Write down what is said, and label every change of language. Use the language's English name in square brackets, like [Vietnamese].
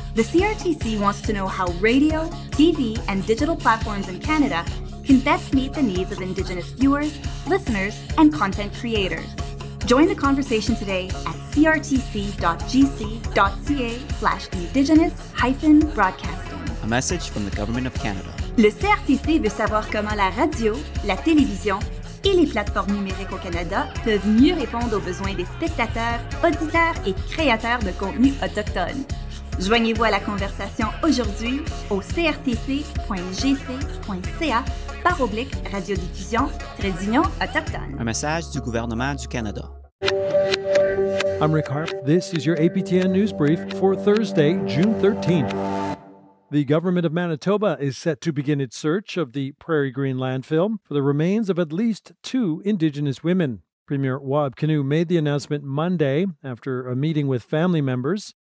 [English] The CRTC wants to know how radio, TV, and digital platforms in Canada can best meet the needs of Indigenous viewers, listeners, and content creators. Join the conversation today at crtc.gc.ca/indigenous-broadcasting. A message from the Government of Canada. [French] Le CRTC veut savoir comment la radio, la télévision et les plateformes numériques au Canada peuvent mieux répondre aux besoins des spectateurs, auditeurs et créateurs de contenus autochtones. Joignez-vous à la conversation aujourd'hui au crtc.gc.ca/radiodiffusion/autochtone. Un message du gouvernement du Canada. [English] I'm Rick Harp. This is your APTN News Brief for Thursday, June 13th. The government of Manitoba is set to begin its search of the Prairie Green landfill for the remains of at least two Indigenous women. Premier Wahb Kanu made the announcement Monday after a meeting with family members.